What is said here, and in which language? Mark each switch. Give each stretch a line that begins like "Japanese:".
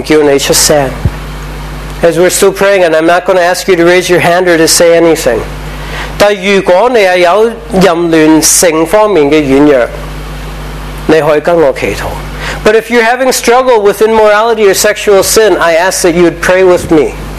English: As we're still praying, and I'm not going to ask you to raise your hand or to say anything,
Chinese: but 如果你是有淫乱性方面的软弱，你可以跟我祈祷。
English: But if you're having struggle with immorality or sexual sin, I ask that you would pray with me.